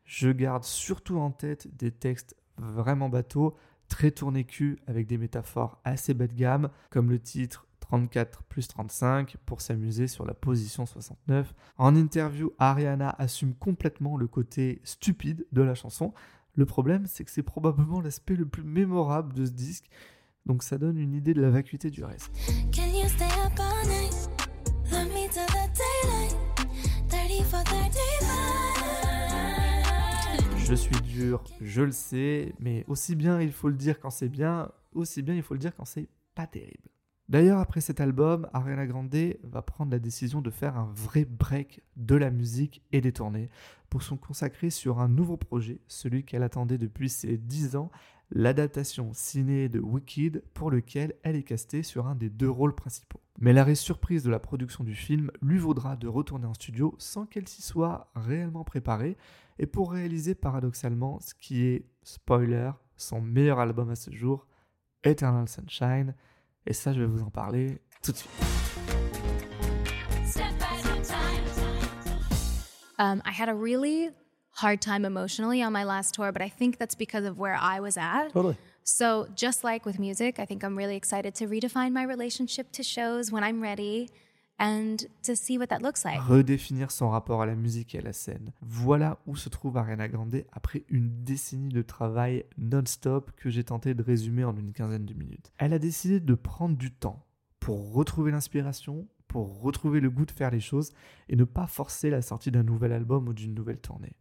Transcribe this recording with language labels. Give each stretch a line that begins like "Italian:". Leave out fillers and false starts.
French: Je garde surtout en tête des textes vraiment bateaux, très tournés cul, avec des métaphores assez bas de gamme, comme le titre 34 plus 35 pour s'amuser sur la position 69. En interview, Ariana assume complètement le côté stupide de la chanson. Le problème, c'est que c'est probablement l'aspect le plus mémorable de ce disque, donc ça donne une idée de la vacuité du reste.
English: Can you stay up all night? Love me till the daylight. 34-35.
French: Je suis dur, je le sais, mais aussi bien il faut le dire quand c'est bien, aussi bien il faut le dire quand c'est pas terrible. D'ailleurs, après cet album, Ariana Grande va prendre la décision de faire un vrai break de la musique et des tournées pour se consacrer sur un nouveau projet, celui qu'elle attendait depuis ses 10 ans, l'adaptation ciné de Wicked, pour lequel elle est castée sur un des deux rôles principaux. Mais l'arrêt surprise de la production du film lui vaudra de retourner en studio sans qu'elle s'y soit réellement préparée et pour réaliser paradoxalement ce qui est, spoiler, son meilleur album à ce jour, Eternal Sunshine. Et ça, je vais vous en parler tout de suite.
English: I had a really hard time emotionally on my last tour, but I think that's because of where I was at. Totally. So, just like with music, I think I'm really excited to redefine my relationship to shows when I'm ready and to see what that looks like.
French: Redéfinir son rapport à la musique et à la scène. Voilà où se trouve Ariana Grande après une décennie de travail non-stop que j'ai tenté de résumer en une quinzaine de minutes. Elle a décidé de prendre du temps pour retrouver l'inspiration, pour retrouver le goût de faire les choses et ne pas forcer la sortie d'un nouvel album ou d'une nouvelle tournée.